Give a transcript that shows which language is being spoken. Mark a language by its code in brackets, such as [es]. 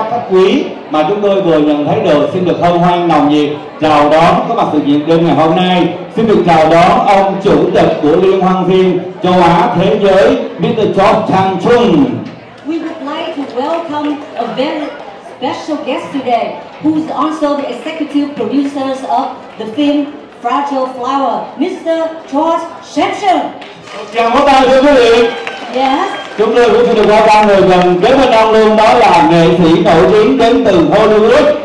[vi] Quý mà chúng tôi vừa nhận thấy được xin được hân hoan nồng nhiệt chào đón có mặt sự kiện đêm ngày hôm nay. Xin được chào đón ông chủ tịch của Liên hoan phim châu Á thế giới, Mr. [en] George Chang Chun. We would like to welcome a very special guest today, who's also the executive producer of the film Fragile Flower, Mr. George Chang Chun. [vi] Chào mừng tất cả quý vị. [en] Yes. [vi] Chúng tôi cũng xin được qua ba người gần đến với ông luôn, đó là nghệ sĩ nổi tiếng đến từ Hollywood,